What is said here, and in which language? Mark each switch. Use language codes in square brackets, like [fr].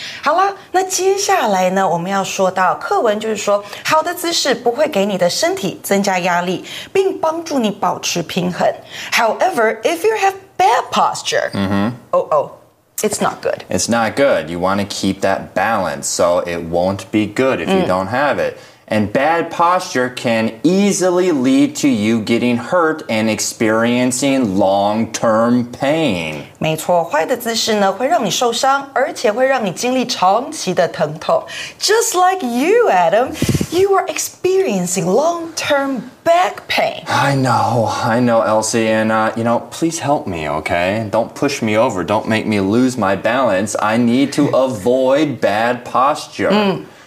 [zh] 好啦，那接下来呢，我们要说到课文就是说，好的姿势不会给你的身体增加压力，并帮助你保持平衡。 [en] However, if you have bad posture, it's not good. It's not good. You want to keep that balance, so it won't be good if you don't have it. And bad posture can easily lead to you getting hurt and experiencing long-term pain. [zh] 没错，坏的姿势呢，会让你受伤，而且会让你经历长期的疼痛。 [en] Just like you, Adam, you are experiencing long-term back pain. I know, Elsie, and, you know, please help me, okay? Don't push me over. Don't make me lose my balance. I need to avoid bad posture.